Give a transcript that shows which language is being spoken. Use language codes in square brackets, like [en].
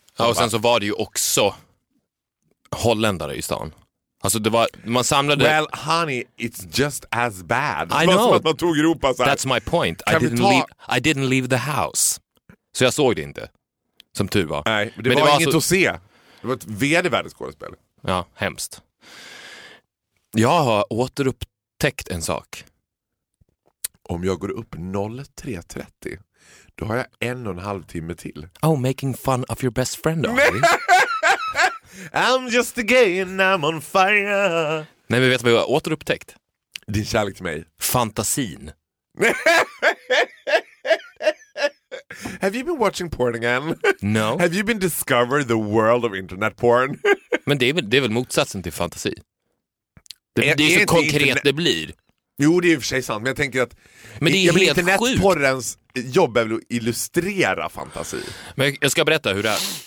[sv] Ja, och sen så var det ju också holländare i stan. Alltså det var, man samlade, [en] well honey, it's just as bad. I know, [sv] man tog Europa, så [en] that's my point. I didn't leave the house. [sv] Så jag såg det inte. Som tur var. Nej, men det var inget alltså att se. Det var ett vedervärdigt skådespel. Ja, hemskt. Jag har återupptäckt en sak. Om jag går upp 03:30, då har jag 1,5 timme till. [en] Oh, making fun of your best friend, are you? I'm just a gay and I'm on fire. [sv] Nej, men vet du vad jag har återupptäckt? Din kärlek till mig. Fantasin. [en] Have you been watching porn again? No. Have you been discovered the world of internet porn? [sv] Men det är väl motsatsen till fantasi. Det är så konkret det blir. Jo, det är ju för sig sant, men jag tänker att, men det är helt internetporrens jobb är väl att illustrera fantasi. Men jag ska berätta hur det är.